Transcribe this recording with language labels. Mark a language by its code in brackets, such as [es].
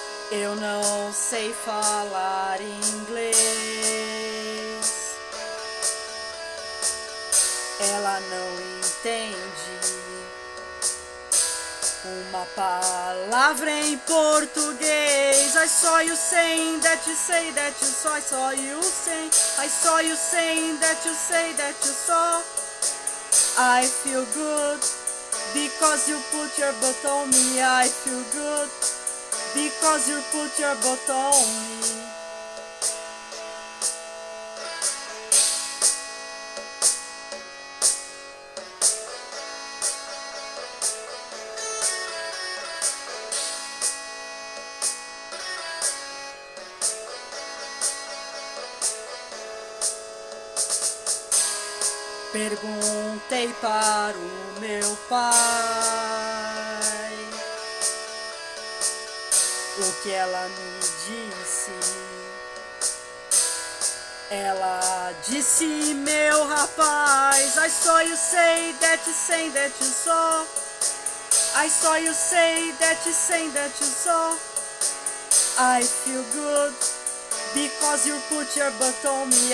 [pt] Eu não sei falar inglês, ela não entende uma palavra em português. [en] I saw you saying that you say that you saw. I saw you saying. I saw you saying that you say that you saw. I feel good because you put your butt on me. I feel good because you put your butt on me. [pt] Perguntei para o meu pai o que ela me disse. Ela disse, meu rapaz, [en] I saw you say that you say that you saw. I saw you say that you say that you saw. I feel good because you put your butt on me.